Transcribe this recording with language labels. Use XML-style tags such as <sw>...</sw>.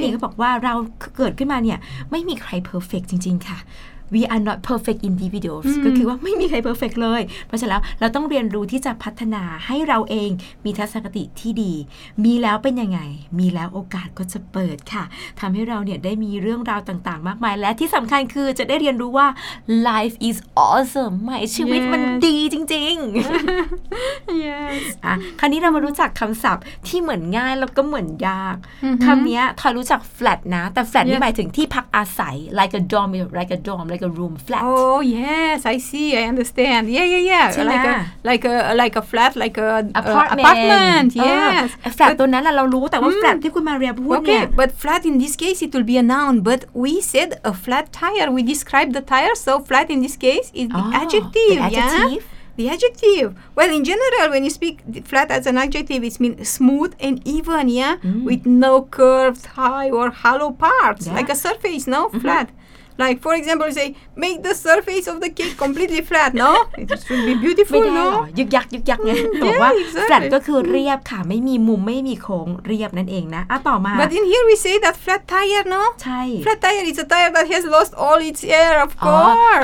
<th>นี่เขาบอกว่าเราเกิดขึ้นมาเนี่ยไม่มีใคร perfect จริงๆค่ะ</th> <en>We are not perfect individuals</en> <th>ก็คือว่าไม่มีใคร perfect เลยเพราะฉะนั้นแล้วเราต้องเรียนรู้ที่จะพัฒนาให้เราเองมีทัศนคติที่ดีมีแล้วเป็นยังไงมีแล้วโอกาสก็จะเปิดค่ะทำให้เราเนี่ยได้มีเรื่องราวต่างๆมากมายและที่สำคัญคือจะได้เรียนรู้ว่า</th> <en>life is awesome</en> <th>หมายชีวิตมันดีจริง</th> <en>ๆ yes</en> <th>คราวนี้เรามารู้จักคำศัพท์ที่เหมือนง่ายแล้วก็เหมือนยากคำนี้ทอยรู้จัก flat นะแต่ flat นี่หมายถึงที่พักอาศัย</th> <en>like a dorm like a room flat. Oh yes, I see. I understand. Yeah, yeah, yeah. Like a flat, like an apartment. Yes. A flat.</en> <th>ตัวนั้นเรารู้แต่ว่า flat ที่คุณมาเรียพูดเนี่ย</th> <en>Okay. But flat in this case it will be a noun. But we said a flat tire. We described the tire. So flat in this case is the adjective. The adjective. Yeah? The adjective. Well, in general, when you speak flat as an adjective, it means smooth and even, yeah? Mm. With no curved, high, or hollow parts. Yeah. Like a surface, no? Mm-hmm. Flat. Like, for example, you say, make the surface of the cake completely flat, no? It should be beautiful, no?</en> <th>ยักยักยักเนี่ยแต่ว่า flat ก็คือเรียบค่ะไม่มีมุมไม่มีโค้งเรียบนั่นเองนะอ่ะต่อมา</th> <en>But in here we say that flat tire, no?</en> <th>ใช่</th> <en>flat tire is a tire that has lost all its air, of course. อ๋อ</en>